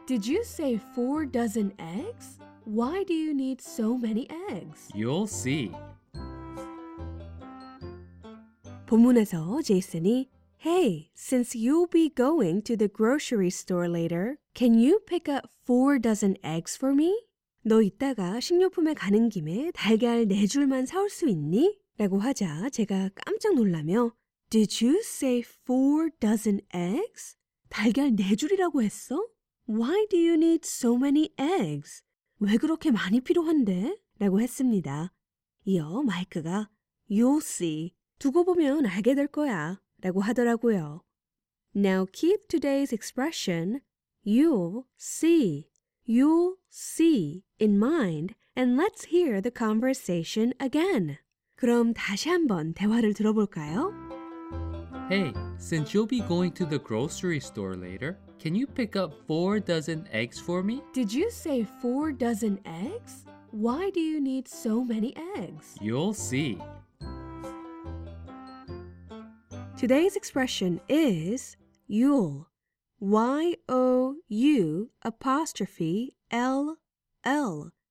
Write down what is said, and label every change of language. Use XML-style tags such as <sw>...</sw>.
<en>Did you say 4 dozen eggs? Why do you need so many eggs? You'll see.</en> <ko>본문에서 제이슨이</ko> <en>Hey, since you'll be going to the grocery store later, can you pick up 4 dozen eggs for me?</en> <ko>너 이따가 식료품에 가는 김에 달걀 4줄만 사올 수 있니? 라고 하자 제가 깜짝 놀라며</ko> <en>Did you say 4 dozen eggs?</en> <ko>달걀 네 줄이라고 했어?</ko> <en>Why do you need so many eggs?</en> <ko>왜 그렇게 많이 필요한데? 라고 했습니다. 이어 마이크가</ko> <en>You'll see.</en> <ko>두고 보면 알게 될 거야. 라고 하더라고요.</ko> <en>Now keep today's expression You'll see. You'll see in mind and let's hear the conversation again.</en> <ko>그럼 다시 한번 대화를 들어볼까요?</ko> <en>Hey, since you'll be going to the grocery store later, can you pick up 4 dozen eggs for me? Did you say 4 dozen eggs? Why do you need so many eggs? You'll see. Today's expression is you'll. Y-O-U apostrophe L-L.</en>